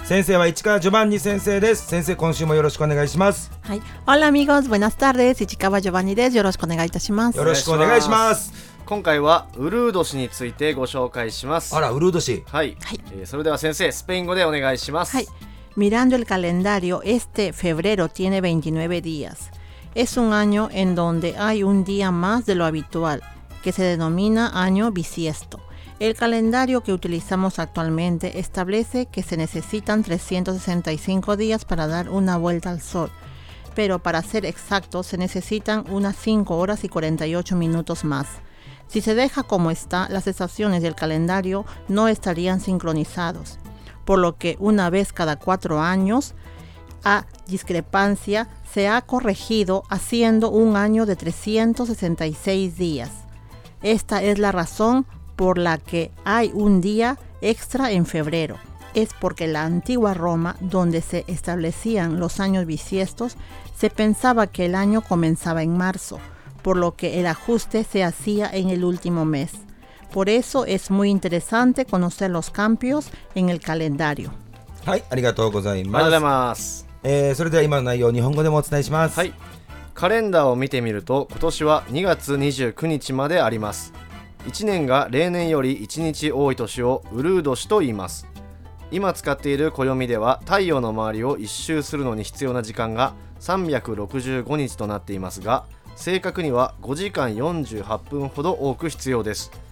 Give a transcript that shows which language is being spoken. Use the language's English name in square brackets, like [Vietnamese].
[Japanese] 先生は市川ジョバンニ先生です。先生、今週もよろしくお願いします。はい、 [Spanish] Hola amigos, buenas tardes, [Japanese] 市川ジョバンニです。よろしくお願いいたします。よろしくお願いします。今回はウルード氏についてご紹介します。あら、ウルード氏、はい、はい。それでは先生、スペイン語でお願いします。 [Spanish] はい、Mirando el calendario, este febrero tiene 29 días. Es un año en donde hay un día más de lo habitual, que se denomina año bisiesto. El calendario que utilizamos actualmente establece que se necesitan 365 días para dar una vuelta al sol, pero para ser exacto se necesitan unas 5 horas y 48 minutos más. Si se deja como está, las estaciones del calendario no estarían sincronizados. Por lo que una vez cada 4 años, a discrepancia, se ha corregido haciendo un año de 366 días. Esta es la razón por la que hay un día extra en febrero. Es porque la antigua Roma, donde se establecían los años bisiestos, se pensaba que el año comenzaba en marzo, por lo que el ajuste se hacía en el último mes. Por eso es muy interesante conocer los cambios en el calendario. [Japanese] はい、ありがとうございます。ありがとうございます。それでは今の内容を日本語でもお伝えします。はい、カレンダーを見てみると今年は2月29日まであります。 1年が例年より1日多い年をウルード年と言います。今使っている暦では太陽の周りを一周するのに必要な時間が365日となっていますが、正確には5時間48分ほど多く必要です。